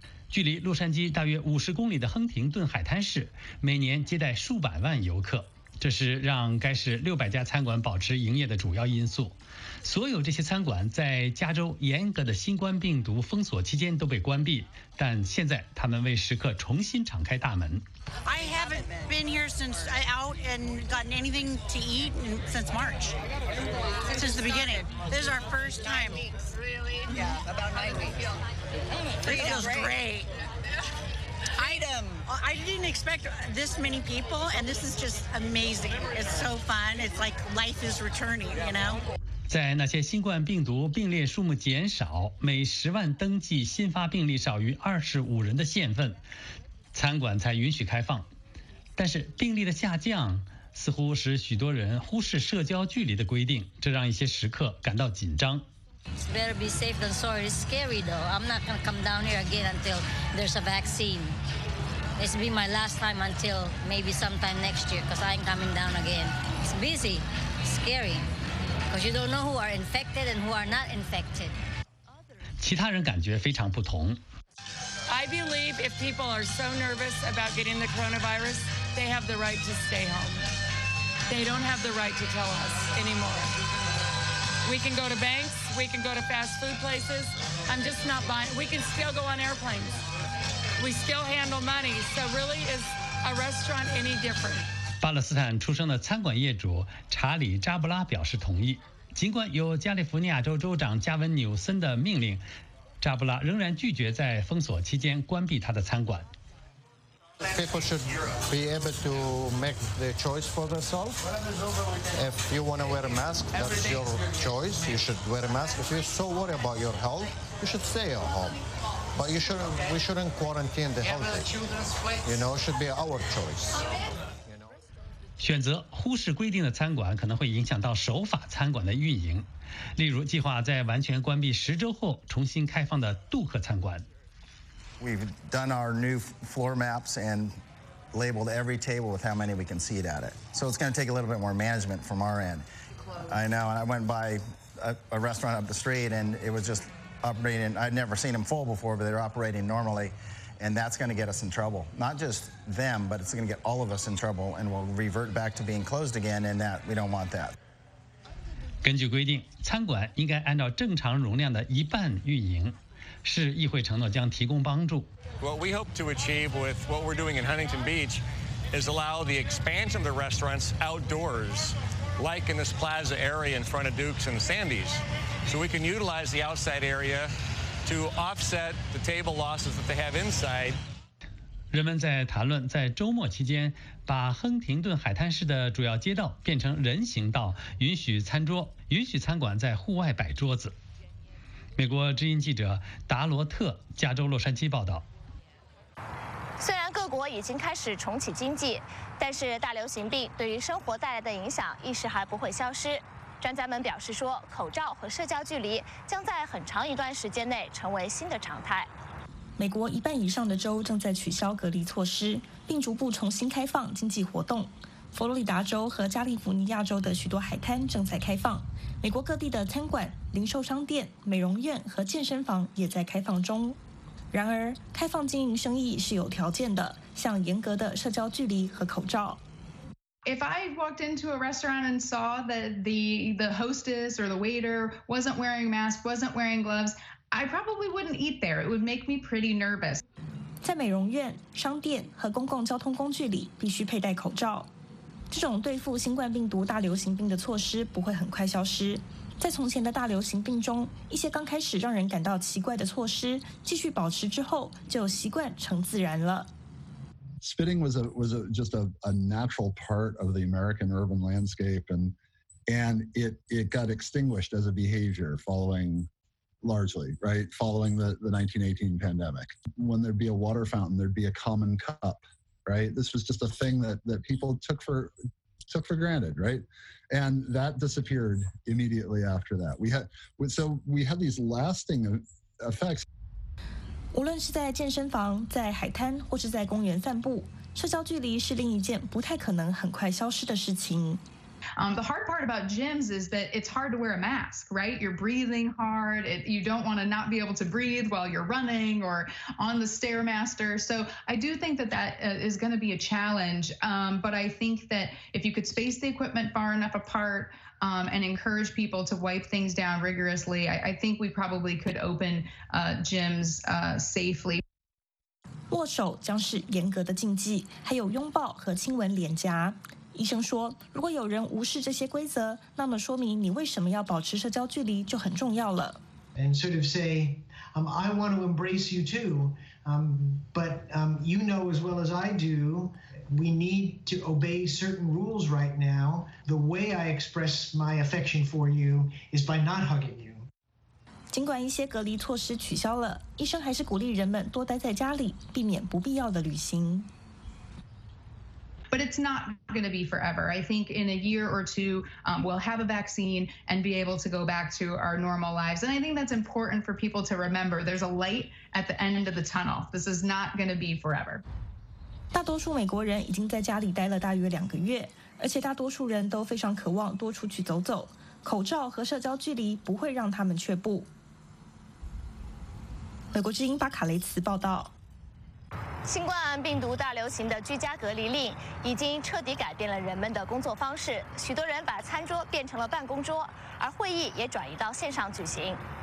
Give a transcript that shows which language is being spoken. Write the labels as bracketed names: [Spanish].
[Chinese] 距离洛杉矶大约50公里的亨廷顿海滩市每年接待数百万游客，这是让该市600家餐馆保持营业的主要因素。所有这些餐馆在加州严格的新冠病毒封锁期间都被关闭，但现在他们为食客重新敞开大门。 [English] I haven't been here since I out and gotten anything to eat since March. Since the beginning. This is our first time. Really? Yeah, about 9 weeks. Feels great. I didn't expect this many people, and this is just amazing. It's so fun. It's like life is returning, you know? [Chinese] 在那些新冠病毒病例数目减少、每10万登记新发病例少于25人的县份，餐馆才允许开放，但是病例的下降似乎使许多人忽视社交距离的规定，这让一些食客感到紧张。 [English] It's better be safe than sorry. It's scary though. I'm not gonna come down here again until there's a vaccine. It's be my last time until maybe sometime next year, cause I ain't coming down again. It's busy, scary, cause you don't know who are infected and who are not infected. [Chinese] 其他人感觉非常不同。 [English] I believe if people are so nervous about getting the coronavirus, they have the right to stay home. They don't have the right to tell us anymore. We can go to banks, we can go to fast food places. I'm just not buying. We can still go on airplanes. We still handle money. So really, is a restaurant any different? [Chinese] 巴勒斯坦出生的餐馆业主查理扎布拉表示同意，尽管有加利福尼亚州州长加文纽森的命令。扎布拉仍然拒绝在封锁期间关闭他的餐馆。 [English] People should be able to make the choice for themselves. If you want to wear a mask, that's your choice. You should wear a mask. If you're so worried about your health, you should stay at home. But you shouldn't. We shouldn't quarantine the healthy. You know, it should be our choice. [Chinese] 选择忽视规定的餐馆可能会影响到守法餐馆的运营。例如计划在完全关闭10周后重新开放的杜克餐馆。 [English] We've done our new floor maps and labeled every table with how many we can seat at it. So it's going to take a little bit more management from our end. I know, and I went by a restaurant up the street and it was just operating. I'd never seen them full before, but they're operating normally. And that's going to get us in trouble. Not just them, but it's going to get all of us in trouble and we'll revert back to being closed again and that we don't want that. [Chinese] 根据规定，餐馆应该按照正常容量的一半运营。市议会承诺将提供帮助。 [English] What we hope to achieve with what we're doing in Huntington Beach is allow the expansion of the restaurants outdoors, like in this plaza area in front of Duke's and Sandy's. So we can utilize the outside area to offset the table losses that they have inside. [Chinese] 人们在谈论在周末期间把亨廷顿海滩市的主要街道变成人行道，允许餐桌，允许餐馆在户外摆桌子。美国之音记者达罗特，加州洛杉矶报道。虽然各国已经开始重启经济，但是大流行病对于生活带来的影响一时还不会消失。专家们表示说，口罩和社交距离将在很长一段时间内成为新的常态。美国一半以上的州正在取消隔离措施，并逐步重新开放经济活动。佛罗里达州和加利福尼亚州的许多海滩正在开放，美国各地的餐馆、零售商店、美容院和健身房也在开放中。然而，开放经营生意是有条件的，像严格的社交距离和口罩。 [English] If I walked into a restaurant and saw that the hostess or the waiter wasn't wearing masks, wasn't wearing gloves, I probably wouldn't eat there. It would make me pretty nervous. [Chinese] 在美容院、商店和公共交通工具里必须佩戴口罩。这种对付新冠病毒大流行病的措施不会很快消失。在从前的大流行病中，一些刚开始让人感到奇怪的措施继续保持之后，就习惯成自然了。 [English] Spitting was just a natural part of the American urban landscape, and it got extinguished as a behavior following the 1918 pandemic. When there'd be a water fountain, there'd be a common cup, right? This was just a thing that people took for granted, right? And that disappeared immediately after that. We had these lasting effects. [Chinese] 无论是在健身房、在海滩或是在公园散步，社交距离是另一件不太可能很快消失的事情。 [English] The hard part about gyms is that it's hard to wear a mask, right? You're breathing hard. You don't want to not be able to breathe while you're running or on the stairmaster. So I do think that is going to be a challenge. But I think that if you could space the equipment far enough apart, and encourage people to wipe things down rigorously, I think we probably could open gyms safely. [Chinese] 握手将是严格的禁忌，还有拥抱和亲吻脸颊。医生说，如果有人无视这些规则，那么说明你为什么要保持社交距离就很重要了。 [English] And sort of say, I want to embrace you too, but you know as well as I do, we need to obey certain rules right now. The way I express my affection for you is by not hugging you. [Chinese] 尽管一些隔离措施取消了，医生还是鼓励人们多待在家里，避免不必要的旅行。 [English] But it's not going to be forever. I think in a year or two, we'll have a vaccine and be able to go back to our normal lives. And I think that's important for people to remember. There's a light at the end of the tunnel. This is not going to be forever. [Chinese] 大多数美国人已经在家里待了大约两个月，而且大多数人都非常渴望多出去走走。口罩和社交距离不会让他们却步。美国之音巴卡雷茨报道。新冠病毒大流行的居家隔离令已经彻底改变了人们的工作方式，许多人把餐桌变成了办公桌，而会议也转移到线上举行。